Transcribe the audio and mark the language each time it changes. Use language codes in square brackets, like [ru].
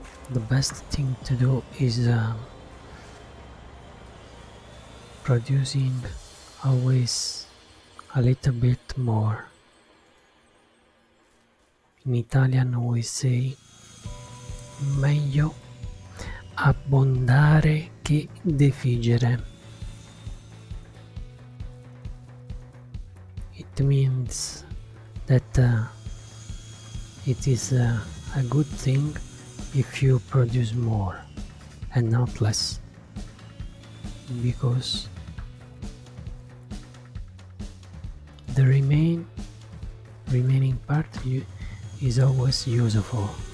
[en] The best thing to do is producing always a little bit more. In Italian we say [it] meglio abbondare che defiggere. [en] It means that it is a good thing if you produce more and not less, because the remaining part is always useful.